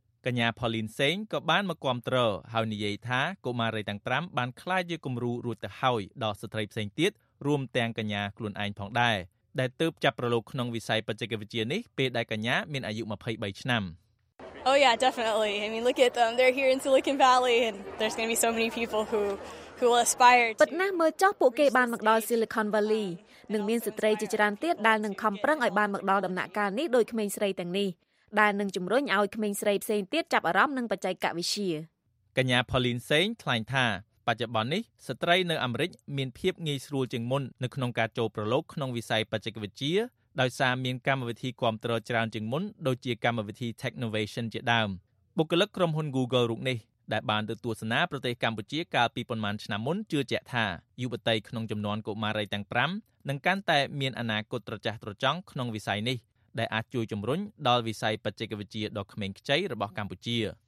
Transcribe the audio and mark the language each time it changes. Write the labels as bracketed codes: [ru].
[km] កញ្ញា Pauline Seng ក៏បានមកគាំទ្រហើយនិយាយថាកុមារីទាំង5បានក្លាយជាគំរូរួចទៅហើយដល់ស្ត្រីផ្សេងទៀតរួមទាំងកញ្ញាខ្លួនឯងផងដែរដែលទើបចាប់ប្រឡូកក្នុងវិស័យបច្ចេកវិទ្យានេះពេលដែលកញ្ញាមានអាយុ23ឆ្នាំ [en] Oh yeah, definitely. I mean, look at them. They're here in Silicon Valley and there's going to be so many people who will aspire to. [km] ប៉ុន្តែមើលចុះពួកគេបានមកដល់ Silicon Valley នឹងមានស្ត្រីជាច្រើនទៀតដែលនឹងខំប្រឹងឲ្យបានមកដល់ដំណាក់កាលនេះដោយក្មេងស្រីទាំងនេះដែលនឹងជំរុញឲ្យក្មេងស្រីផ្សេងទៀតចាប់អារម្មណ៍នឹងបច្ចេកវិទ្យា កញ្ញាផូលីនសេងថ្លែងថាបច្ចុប្បន្ននេះស្ត្រីនៅអាមេរិកមានភាពងាយស្រួលជាងមុននៅក្នុងការចូលប្រឡូកក្នុងវិស័យបច្ចេកវិទ្យាដោយសារមានកម្មវិធីគាំទ្រច្រើនជាងមុនដូចជាកម្មវិធី Technovation ជាដើមបុគ្គលិកក្រុមហ៊ុន Google រូបនេះដែលបានទៅទស្សនាប្រទេសកម្ពុជាកាលពីប៉ុន្មានឆ្នាំមុនជឿជាក់ថាយុវតីក្នុងចំនួនកុមារីទាំង5នឹងកាន់តែមានអនាគតត្រចះត្រចង់ក្នុងវិស័យនេះដែលអាចជួយជំរុញដល់វិស័យបច្ចេកវិទ្យាដ៏ក្មេងខ្ចីរបស់កម្ពុជាន